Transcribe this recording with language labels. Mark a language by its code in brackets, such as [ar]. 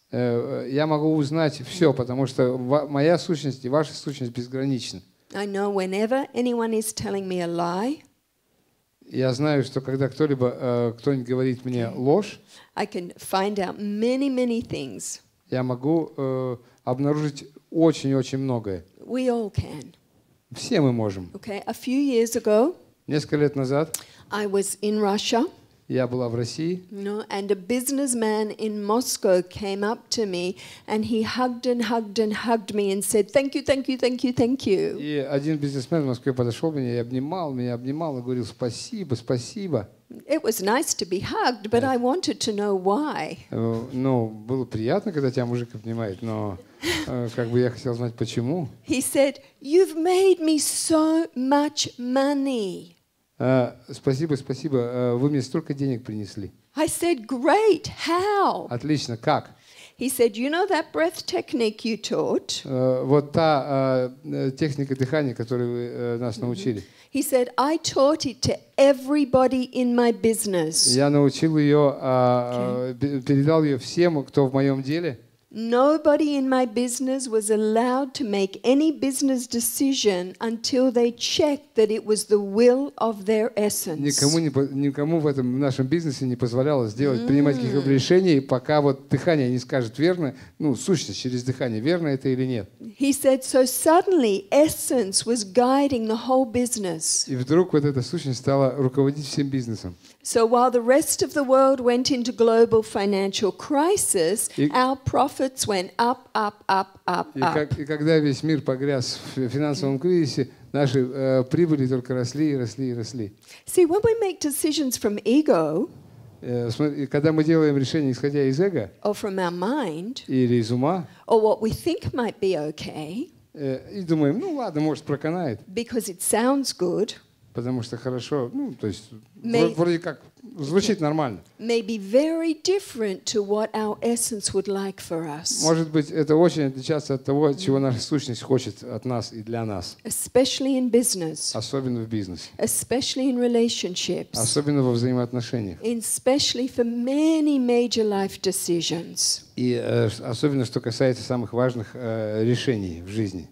[ru] Я могу узнать все, потому что моя сущность и ваша сущность безграничны. [en] I know whenever anyone is telling me a lie. [ru] Я знаю, что когда кто-либо, кто-нибудь говорит мне ложь, [en] I can find out many, many things. [ru] Я могу обнаружить очень-очень многое. [en] We all can. [ru] Все мы можем. [en] Okay. A few years ago, [ru] несколько лет назад, [en] I was in Russia. [ru] Я была в России. [en] No, and a businessman in Moscow came up to me and he hugged and hugged and hugged me and said, thank you, thank you, thank you, thank you. [ru] И один бизнесмен в Москве подошел к мне и обнимал меня, обнимал и говорил, спасибо, спасибо. [en] It was nice to be hugged, but I wanted to know why. [ru] Ну, было приятно, когда тебя мужик обнимает, но как бы я хотел знать, почему. [en] He said, you've made me so much money. [ru] Спасибо, спасибо. Вы мне столько денег принесли. [en] I said, great. How? [ru] Отлично. Как? [en] He said, you know that breath technique you taught? [ru] Вот та техника дыхания, которую вы нас научили. [en] He said, I taught it to everybody in my business. [ru] Я научил ее, передал ее всем, кто в моем деле. [en] Nobody in my business was allowed to make any business decision until they checked that it was the will of their essence. [ru] Никому в этом нашем бизнесе не позволялось сделать, принимать каких-либо решений, пока вот дыхание не скажет верно, ну, сущность через дыхание, верно это или нет. [en] He said, so suddenly essence was guiding the whole business. [ru] И вдруг вот эта сущность стала руководить всем бизнесом. [en] So while the rest of the world went into global financial crisis, our profits went up, up, up, up, up. [ru] И когда весь мир погряз в финансовом кризисе, наши прибыли только росли и росли и росли. [en] See, when we make decisions from ego, [ru] когда мы делаем решение исходя из эго, [en] or from our mind, [ru] или из ума, [en] or what we think might be okay, [ru] и думаем, ну ладно, может проканает, [en] because it sounds good. [ru] Потому что хорошо, ну, то есть, вроде как, звучит нормально. [en] May be very different to what our essence would like for us. [ru] Может быть, это очень отличается от того, чего наша сущность хочет от нас и для нас. [en] Especially in business. [ru] Особенно в бизнесе. [en] Especially in relationships. [ru] Особенно во взаимоотношениях. [en] Especially for many major life decisions. [ru] И особенно, что касается самых важных решений в жизни.